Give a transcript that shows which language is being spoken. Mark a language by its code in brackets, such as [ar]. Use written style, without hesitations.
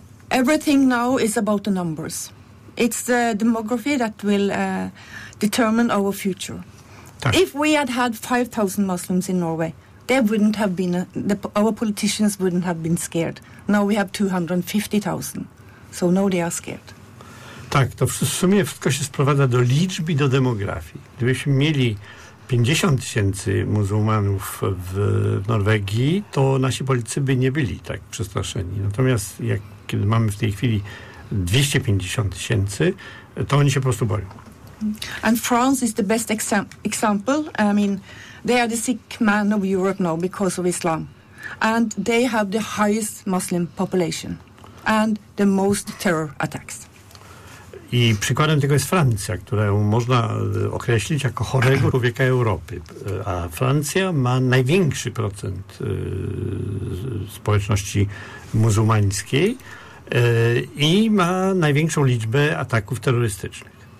[en] Everything now is about the numbers. It's the demography that will determine our future. Tak. If we had had 5,000 Muslims in Norway, they wouldn't have been, our politicians wouldn't have been scared. Now we have 250,000. So now they are scared. [pl] Tak, to w sumie wszystko się sprowadza do liczby, do demografii. Gdybyśmy mieli 50 tysięcy muzułmanów w Norwegii, to nasi politycy by nie byli tak przestraszeni. Natomiast kiedy mamy w tej chwili 250 tysięcy, to oni się po prostu boją. [en] And France is the best example. I mean, they are the sick man of Europe now because of Islam. And they have the highest Muslim population and the most terror attacks. [pl] I przykładem tego jest Francja, którą można określić jako chorego człowieka Europy. A Francja ma największy procent społeczności muzułmańskiej i ma największą liczbę ataków terrorystycznych.